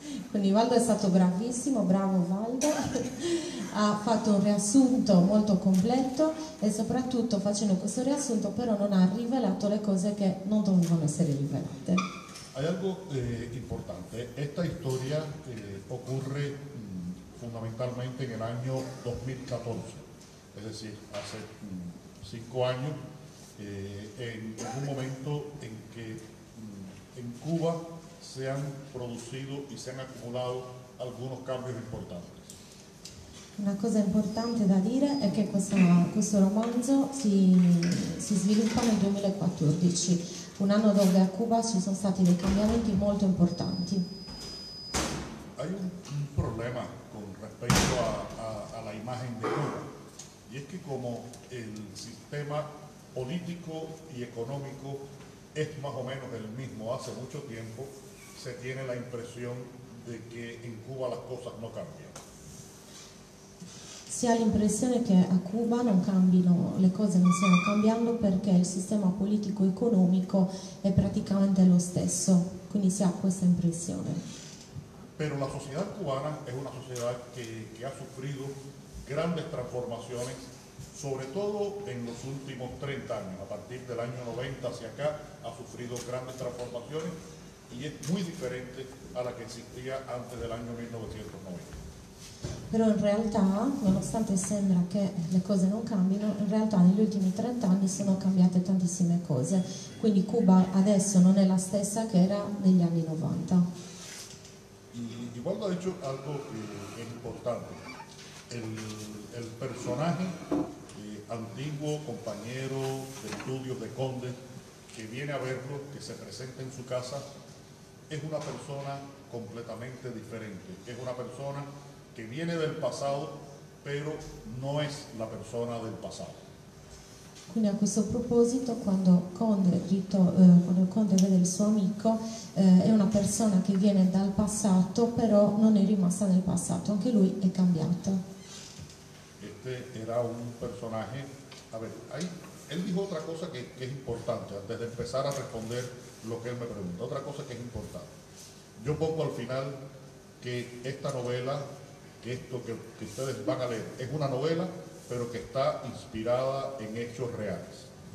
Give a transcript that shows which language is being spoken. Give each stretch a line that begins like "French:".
Italian: Quindi Waldo è stato bravissimo, bravo Waldo, ha fatto un riassunto molto completo, e soprattutto facendo questo riassunto però non ha rivelato le cose che non dovevano essere rivelate.
Spanish: Hay algo importante, esta historia ocurre fondamentalmente en el año 2014, es decir, hace 5 años, en un momento en que en Cuba se han producido y se han acumulado algunos cambios importantes.
Italian: Una cosa importante da dire è che questo romanzo si sviluppa nel 2014, un anno dove a Cuba ci sono stati dei cambiamenti molto importanti.
Spanish: Hay un problema con respecto a la imagen de Cuba, y es que como el sistema político y económico es más o menos el mismo hace mucho tiempo, se tiene la impresión de que en Cuba las cosas no cambian.
Italian: si ha l'impressione che a Cuba non cambino, le cose non stiano cambiando perché il sistema politico-economico è praticamente lo stesso, quindi si ha questa impressione.
Spanish: Pero la sociedad cubana es una sociedad que ha sufrido grandes transformaciones, sobre todo en los últimos 30 años, a partir del año 90 hacia acá, ha sufrido grandes transformaciones y es muy diferente a la que existía antes del año 1990.
Italian: Però in realtà, nonostante sembra che le cose non cambino, in realtà negli ultimi 30 anni sono cambiate tantissime cose. Quindi Cuba adesso non è la stessa che era negli anni 90.
Spanish: Y Waldo ha dicho algo que es importante. El personaje antiguo compañero de estudios de Conde que viene a verlo, que se presenta en su casa, es una persona completamente diferente. Es una persona que viene del pasado, pero no es la persona del pasado.
Italian: Quindi a questo proposito, quando Conde, quando Conde vede il suo amico, è una persona che viene dal passato, però non è rimasta nel passato, anche lui è cambiato.
Spanish: Este era un personaje, a ver, ahí, él dijo otra cosa que es importante, antes de empezar a responder lo que él me pregunta, otra cosa que es importante. Yo pongo al final que esta novela, que esto que ustedes van a leer, es una novela, pero que está inspirada en hechos reales.